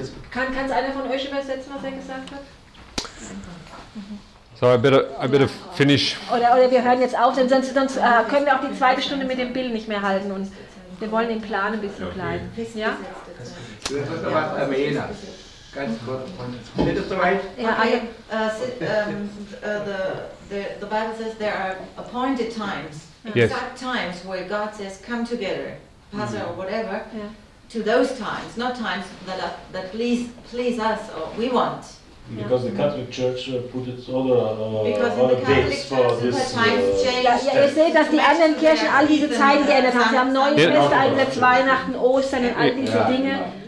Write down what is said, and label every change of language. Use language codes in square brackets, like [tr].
[de] Kann einer von euch übersetzen, was er gesagt hat? [en] So, I better finish. [de] Oder wir hören jetzt auf, denn sonst können wir auch die zweite Stunde mit dem Bill nicht mehr halten. Und wir wollen den Plan ein bisschen bleiben. Ja? Du hast noch was erwähnt. Ganz kurz. Ist das soweit? [en] The Bible says there are appointed times, exact times, where God says, come together, pass or whatever. Yeah. To those times, not times that please us or we want. Because the Catholic Church put its other dates for this. [de] Ihr seht, dass die anderen Kirchen all diese Zeiten geändert haben. Sie haben neue Feste, eigentlich Weihnachten, Ostern und all diese Dinge.